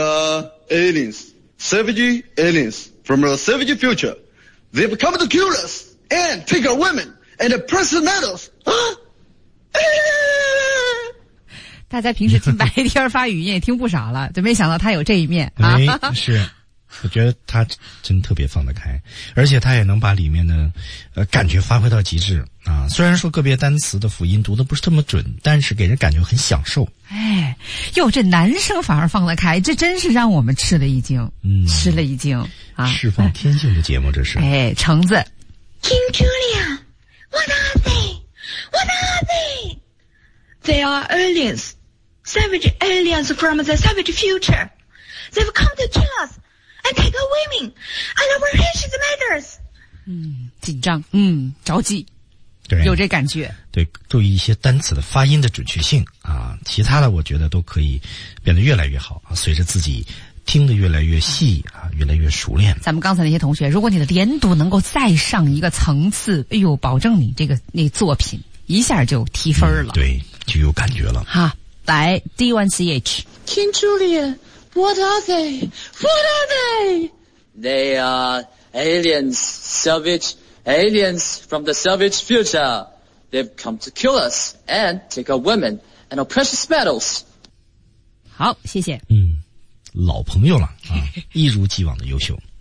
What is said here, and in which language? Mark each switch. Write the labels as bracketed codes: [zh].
[en] They are aliens, savage aliens from a savage future. They've come to kill us and take our women and the precious metals. Huh? [zh] 大家平时听白天发语音也听不少了，就没想到他有这一面啊。是，我觉得他真特别放得开，而且他也能把里面的感觉发挥到极致啊。虽然说个别单词的辅音读的不是这么准，但是给人感觉很享受。哎，哟，这男生反而放得开，这真是让我们吃了一惊，吃了一惊啊！释放天性的节目，这是。哎，橙子 [en] ，King Julia, what are they? What are they? They are aliens, savage aliens from the savage future. They've come to kill us and take our women and our precious matters. [zh] 紧张，着急，对，有这感觉。对，注意一些单词的发音的准确性啊，其他的我觉得都可以变得越来越好啊，随着自己听得越来越细啊，越来越熟练。咱们刚才那些同学，如果你的连读能够再上一个层次，哎呦，保证你这个那作品一下就提分了。对。就有感觉了。好，来 D1CH [en] King Julian, what are they? What are they? They are aliens, savage aliens from the savage future. They've come to kill us and take our women and our precious metals. [zh] 好，谢谢。老朋友了啊，一如既往的优秀。